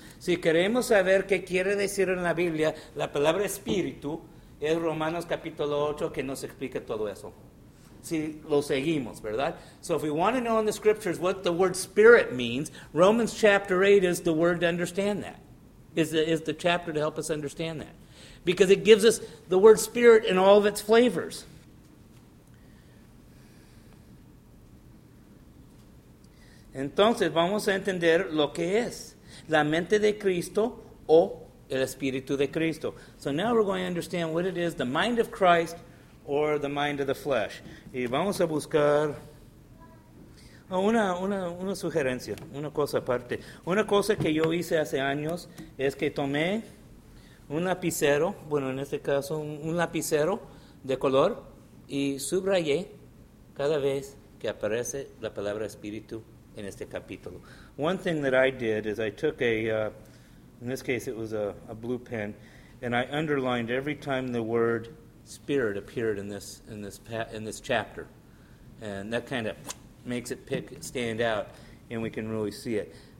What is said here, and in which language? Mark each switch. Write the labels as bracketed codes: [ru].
[es] Si queremos saber qué quiere decir en la Biblia la palabra espíritu, es Romanos capítulo 8 que nos explica todo eso. Si lo seguimos, ¿verdad? [en] So if we want to know in the scriptures what the word spirit means, Romans chapter 8 is the word to understand that. Is the chapter to help us understand that. Because it gives us the word spirit in all of its flavors. [es] Entonces vamos a entender lo que es la mente de Cristo o el Espíritu de Cristo. [en] So now we're going to understand what it is, the mind of Christ or the mind of the flesh. [es] Y vamos a buscar una sugerencia, una cosa aparte. Una cosa que yo hice hace años es que tomé un lapicero, bueno, en este caso un lapicero de color, y subrayé cada vez que aparece la palabra espíritu en este capítulo. [en] One thing that I did is I took a blue pen, and I underlined every time the word spirit appeared in this chapter, and that kind of makes it stand out, and we can really see it.